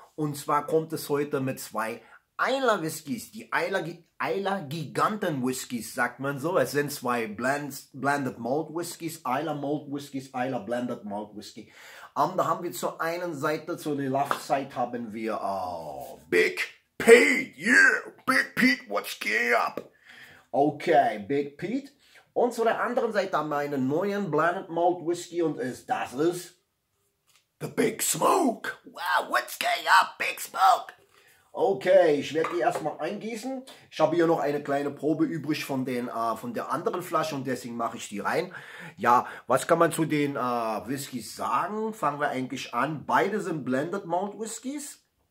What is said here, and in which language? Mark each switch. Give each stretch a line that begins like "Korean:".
German: Und zwar kommt es heute mit zwei Eiler Whiskys. Die Eiler Giganten Whiskys, sagt man so. Es sind zwei Blended Malt Whiskys. Eiler Malt Whiskys, Eiler Blended Malt Whisky. Da haben wir zur einen Seite, zur
English: Left Side,
German: haben wir Big Pete.
English: Yeah, Big Pete, what's going up? Okay, Big Pete.
German: Und zu der anderen Seite haben wir einen neuen Blended Malt Whisky und das ist The Big Smoke.
English: Wow, what's going up, Big Smoke?
German: Okay, ich werde die erstmal eingießen. Ich habe hier noch eine kleine Probe übrig von der anderen Flasche und deswegen mache ich die rein. Ja, was kann man zu den Whiskys sagen? Fangen wir eigentlich an. Beide sind Blended Malt Whiskys.